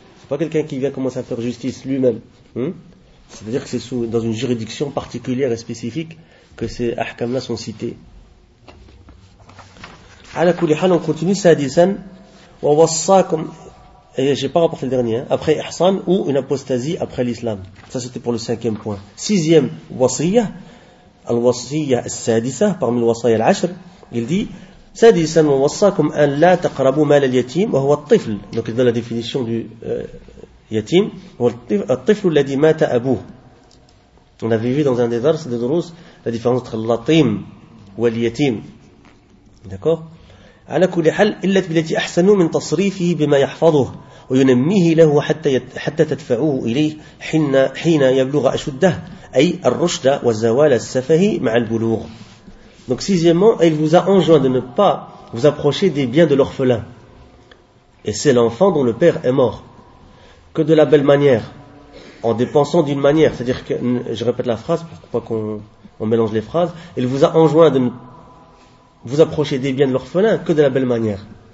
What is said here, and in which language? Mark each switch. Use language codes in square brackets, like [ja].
[fr] Ce n'est pas quelqu'un qui vient commencer à faire justice lui-même. C'est-à-dire que c'est dans une juridiction particulière et spécifique que ces ahkams-là sont cités. À la kulli hal, on continue, [ar] sadisan, wa wassakum, [fr] et je n'ai pas rapporté le dernier, hein, après ihsan ou une apostasie après l'islam. Ça c'était pour le cinquième point. Sixième, wasiyah, al-wasiyah al-sadisa, parmi le wasiyah al-ashr. Il dit, [ar] سادسا ووصاكم أن لا تقربوا مال اليتيم وهو الطفل. [fr] Donc il donne la définition du yatim, [ar] الطفل الذي مات أبوه. [fr] On avait vu dans un des vers de Drus la différence entre latim et اليتيم. D'accord. [ar] على كل حال إلا التي أحسن من تصريفه بما يحفظه وينميه له حتى تدفعوه إليه حين يبلغ أشده أي الرشد والزوال السفهي مع البلوغ. [fr] Donc sixièmement, il vous a enjoint de ne pas vous approcher des biens de l'orphelin. Et c'est l'enfant dont le père est mort. Que de la belle manière, en dépensant d'une manière. C'est-à-dire que, je répète la phrase, pour pas qu'on mélange les phrases. Il vous a enjoint de ne vous approcher des biens de l'orphelin que de la belle manière.